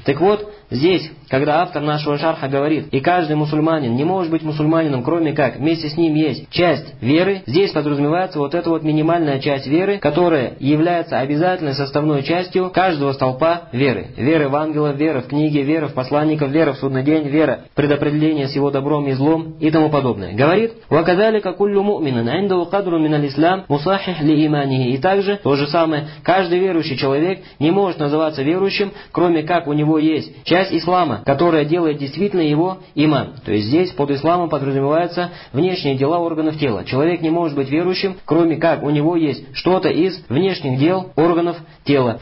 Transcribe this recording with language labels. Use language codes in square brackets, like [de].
[ru] Так вот, здесь, когда автор нашего шарха говорит, и каждый мусульманин не может быть мусульманином, кроме как вместе с ним есть часть веры, здесь подразумевается вот эта вот минимальная часть веры, которая является обязательной составной частью каждого столпа веры. Веры в ангелов, веры в книги, веры в посланников, веры в судный день, вера в предопределение с его добром и злом и тому подобное. Говорит, [ar] وَكَذَلِكَ كُلُّ مُؤْمِنًا عِنْدَهُ قَدْرٌ مِنَ الْإِسْلَامِ مُصَحِّحٌ لِإِيمَانِهِ. [ru] И также, то же самое, каждый верующий человек не может называться верующим, кроме как у него есть часть ислама, которая делает действительно его иман. То есть здесь под исламом подразумеваются внешние дела органов тела. Человек не может быть верующим, кроме как у него есть что-то из внешних дел органов тела.